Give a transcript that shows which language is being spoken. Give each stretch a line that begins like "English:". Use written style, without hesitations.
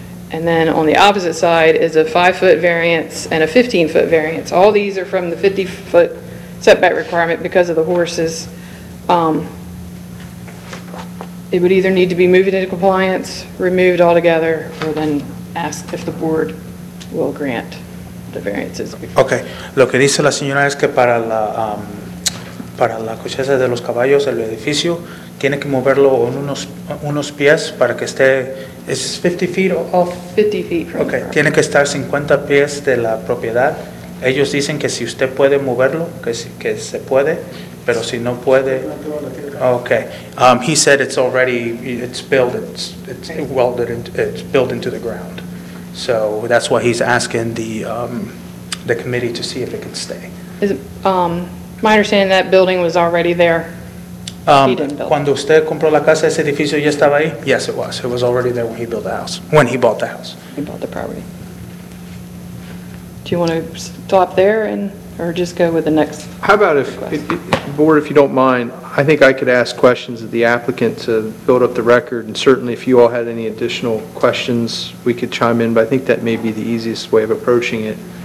English: And then on the opposite side is a 5-foot variance and a 15-foot variance. All these are from the 50-foot setback requirement because of the horses. It would either need to be moved into compliance, removed altogether, or then ask if the board will grant the variances. Okay.
Spanish: Lo que dice la señora es que para la cochera de los caballos, el edificio, tiene que moverlo unos pies para que esté...
English: Is this 50 feet off? 50 feet from
Spanish: Okay. Tiene que estar 50 pies de la propiedad. Ellos dicen que si usted puede moverlo, que se puede, pero si no puede...
English: Okay. He said it's already, it's built, it's welded, into, it's built into the ground. So that's why he's asking the committee to see if it can stay. Is it, my understanding that building was already there.
Spanish: Cuando usted compró la casa, ese edificio ya estaba ahí?
English: Yes, it was. It was already there when he built the house. When he bought the house. He bought the property. Do you want to stop there and, or just go with the next? How about if, board, if you don't mind, I think I could ask questions of the applicant to build up the record. And certainly if you all had any additional questions, we could chime in. But I think that may be the easiest way of approaching it.